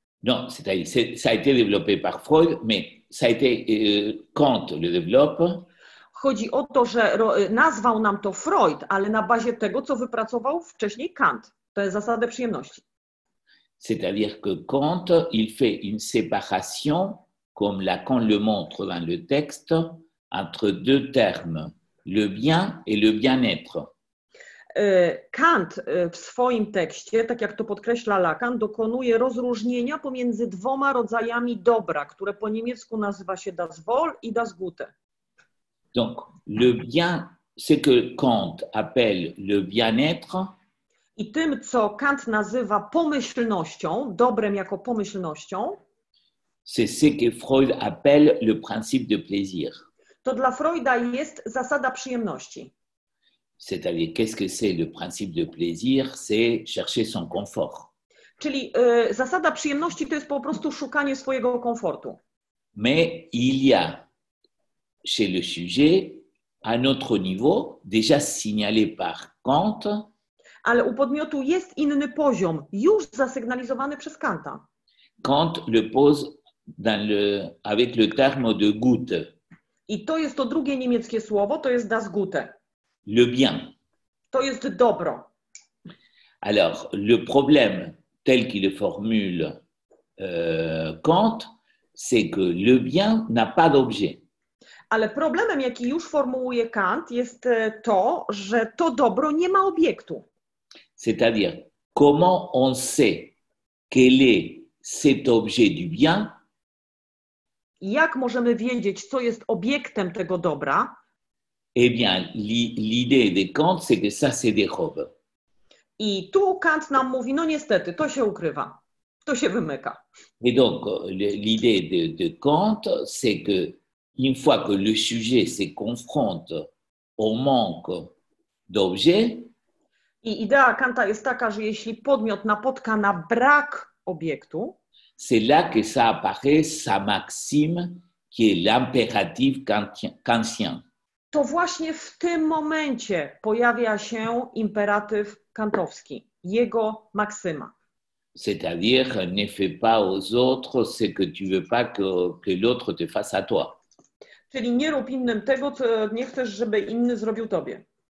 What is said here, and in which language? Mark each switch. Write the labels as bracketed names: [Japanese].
[French] Non, c'est-à-dire, ça a été développé par Freud, mais ça a été Kant le développe. [Polish] Chodzi o to, że nazwał nam to Freud, ale na bazie tego, co wypracował wcześniej Kant. To jest zasada przyjemności. [French] C'est-à-dire que Kant, il fait une séparation, comme Lacan le montre dans le texte, entre deux termes, le bien et le bien-être. [Polish] Kant w swoim tekście, tak jak to podkreśla Lacan, dokonuje rozróżnienia pomiędzy dwoma rodzajami dobra, które po niemiecku nazywa się das Wohl i das Gute. [French] Donc, le bien, ce que Kant appelle le bien-être. [Polish] I tym, co Kant nazywa pomyślnością, dobrem jako pomyślnością, [French] c'est ce que Freud appelle le principe de plaisir. [Polish] To dla Freuda jest zasada przyjemności. [French] C'est-à-dire, qu'est-ce que c'est le principe de plaisir? C'est chercher son confort. [Polish] Czyli zasada przyjemności to jest po prostu szukanie swojego komfortu. [French] Mais il y a chez le sujet, à notre niveau, déjà signalé par Kant. [Polish] Ale u podmiotu jest inny poziom, już zasygnalizowany przez Kanta. [French] Kant le pose dans le, avec le terme de Gute. [Polish] I to jest to drugie niemieckie słowo, to jest das Gute. [French] Le bien. [Polish] To jest dobro. [French] Alors, le problème tel qu'il le formule Kant, c'est que le bien n'a pas d'objet. [Polish] Ale problemem, jaki już formułuje Kant, jest to, że to dobro nie ma obiektu. [French] C'est-à-dire, comment on sait quel est cet objet du bien? [Polish] Jak możemy wiedzieć, co jest obiektem tego dobra? [French] Eh bien, l'idée de Kant, c'est que ça se dérobe. [Polish] I tu Kant nam mówi, no niestety, to się ukrywa, to się wymyka. [French] Et donc, l'idée de Kant, c'est que une fois que le sujet se confronte au manque d'objet, [Polish] i idea Kanta jest taka, że jeśli podmiot napotka na brak obiektu, [French] c'est là que ça apparaît sa maxime, qui est l'impératif kantien. [Polish] To właśnie w tym momencie pojawia się imperatyw kantowski, jego maksyma. [French] C'est-à-dire, ne fais pas aux autres ce que tu veux pas que l'autre te fasse à toi. [Polish] Czyli nie rób innym tego, co nie chcesz, żeby inny zrobił tobie.